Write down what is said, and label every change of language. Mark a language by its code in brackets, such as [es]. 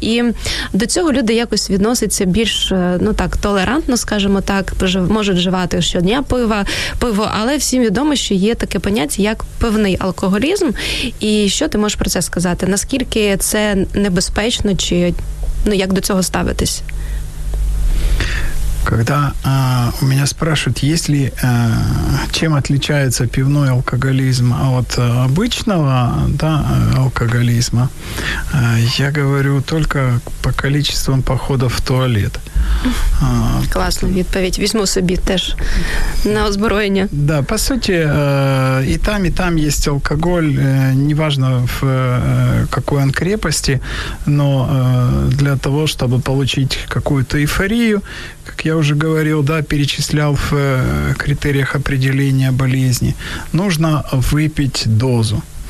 [uk] І до цього люди якось відносяться більш, ну так, толерантно, скажімо так, можуть вживати щодня пиво, але всім відомо, що є таке поняття, як пивний алкоголізм. І що ти можеш про це сказати? Наскільки це небезпечно, чи як до цього ставитись? [ru] Когда у меня спрашивают, есть ли, чем отличается пивной алкоголизм от обычного, да, алкоголизма, я говорю только по количеству походов в туалет. Классный [uk] відповідь. Візьму собі теж на озброєння. [ru] Да, по сути, и там есть алкоголь, неважно в какой он крепости, но для того, чтобы получить какую-то эйфорию, как я уже говорил, да, перечислял в критериях определения болезни, нужно выпить дозу.